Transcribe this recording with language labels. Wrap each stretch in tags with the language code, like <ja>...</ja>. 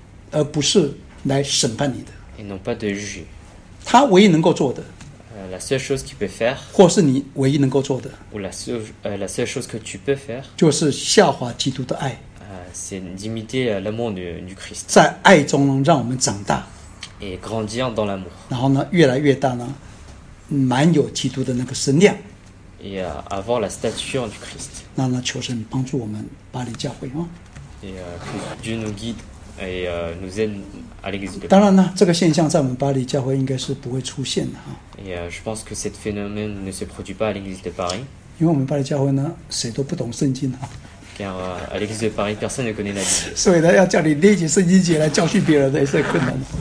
<zh>而不是来审判你的,</zh> <fr>et non pas de juger.</fr> <zh>他唯一能够做的,</zh> <fr>la seule chose qu'il peut faire,</fr> <zh>或是你唯一能够做的,</zh> <fr>ou la seule chose que tu peux faire,</fr> <zh>就是效法基督的爱,</zh> <fr>c'est d'imiter l'amour du Christ.</fr> <zh>在爱中让我们长大,</zh> <fr>et grandir dans l'amour.</fr> <zh>然后呢, 越来越大呢, 满有基督的那个身量,</zh> <fr>et avoir la stature du Christ.</fr> <zh>那呢, 求神帮助我们, 巴黎教会, hein?</zh> <fr>Et que Dieu nous guide et nous aide à l'église de Paris.</fr> <zh>当然呢, 这个现象在我们巴黎教会应该是不会出现的, hein?</zh> <fr>Et je pense que ce phénomène ne se produit pas à l'église de Paris.</fr> <zh>因为我们巴黎教会呢, 谁都不懂圣经, hein?</zh> <fr>Car à l'église de Paris, personne ne connaît la Bible.</fr> <zh>所以呢,要叫你列举圣经节来教训别人, 也是困难的。</zh>